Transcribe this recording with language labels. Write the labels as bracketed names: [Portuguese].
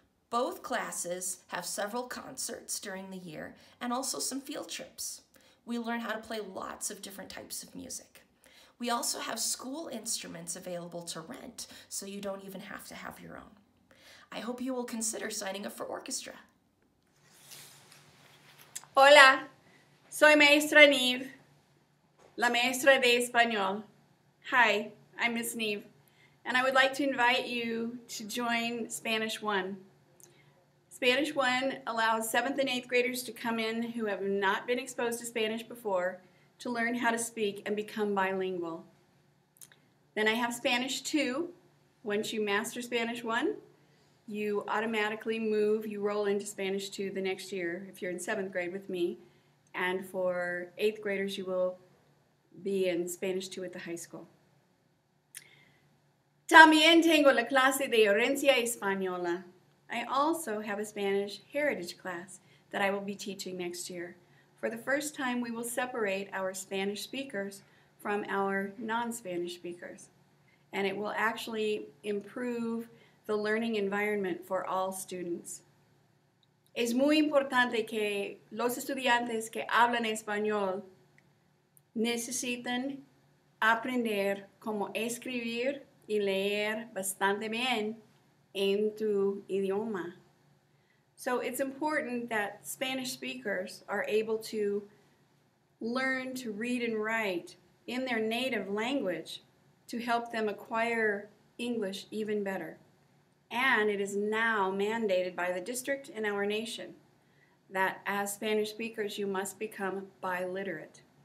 [English] Both classes have several concerts during the year and also some field trips. We learn how to play lots of different types of music. We also have school instruments available to rent, so you don't even have to have your own. I hope you will consider signing up for orchestra. [Spanish] Hola, soy maestra Neve, la maestra de español. [English] Hi, I'm Miss Neve, and I would like to invite you to join Spanish 1. Spanish 1 allows 7th and 8th graders to come in who have not been exposed to Spanish before to learn how to speak and become bilingual. Then I have Spanish 2. Once you master Spanish 1, you automatically move, you roll into Spanish 2 the next year if you're in 7th grade with me. And for 8th graders, you will be in Spanish 2 at the high school. [Spanish] También tengo la clase de herencia española. [English] I also have a Spanish heritage class that I will be teaching next year. For the first time, we will separate our Spanish speakers from our non-Spanish speakers. And it will actually improve the learning environment for all students. [Spanish] Es muy importante que los estudiantes que hablan español necesiten aprender cómo escribir y leer bastante bien en tu idioma. [English] So it's important that Spanish speakers are able to learn to read and write in their native language to help them acquire English even better. And it is now mandated by the district and our nation that as Spanish speakers, you must become biliterate.